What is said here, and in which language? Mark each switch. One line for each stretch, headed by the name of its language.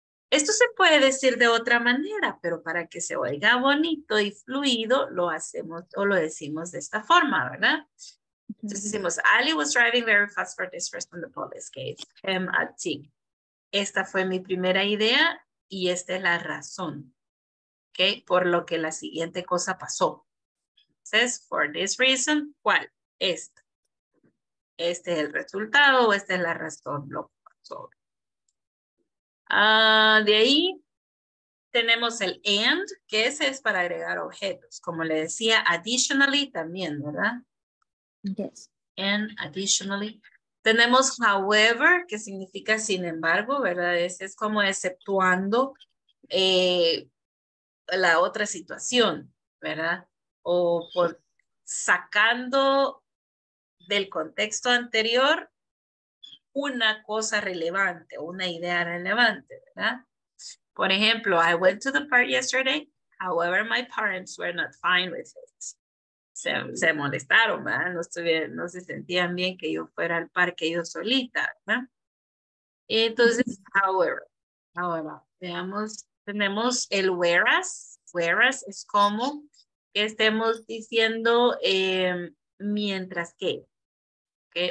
Spanish: Esto se puede decir de otra manera, pero para que se oiga bonito y fluido, lo hacemos o lo decimos de esta forma, ¿verdad? Entonces decimos,
English: Ali was driving very fast for this reason, the police gave him a ticket.
Spanish: Esta fue mi primera idea y esta es la razón, ¿ok? Por lo que la siguiente cosa pasó. Entonces,
English: for this reason,
Spanish: ¿cuál? Esta. Este es el resultado o esta es la razón, lo que pasó. De ahí tenemos el and, que ese es para agregar objetos. Como le decía, additionally también, ¿verdad?
English: Yes. And additionally.
Spanish: Tenemos however, que significa sin embargo, ¿verdad? Ese es como exceptuando la otra situación, ¿verdad? O por sacando del contexto anterior una cosa relevante, una idea relevante, ¿verdad? Por ejemplo,
English: I went to the park yesterday, however my parents were not fine with it.
Spanish: Se molestaron, ¿verdad? No se sentían bien que yo fuera al parque yo solita, ¿verdad? Entonces, however, ahora, veamos, tenemos el whereas, whereas es como que estemos diciendo mientras que, ¿okay?